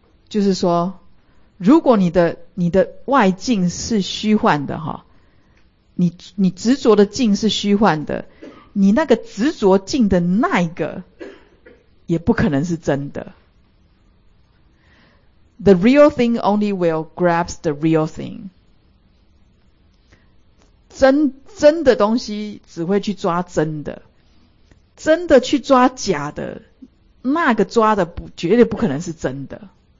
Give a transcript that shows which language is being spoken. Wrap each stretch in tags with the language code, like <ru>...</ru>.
<zh>就是说，如果你的外境是虚幻的哈，你执着的境是虚幻的，你那个执着境的那一个也不可能是真的。</zh> <en>The real thing only will grasp the real thing.</en> <zh>真的东西只会去抓真的，真的去抓假的，那个抓的不绝对不可能是真的。</zh>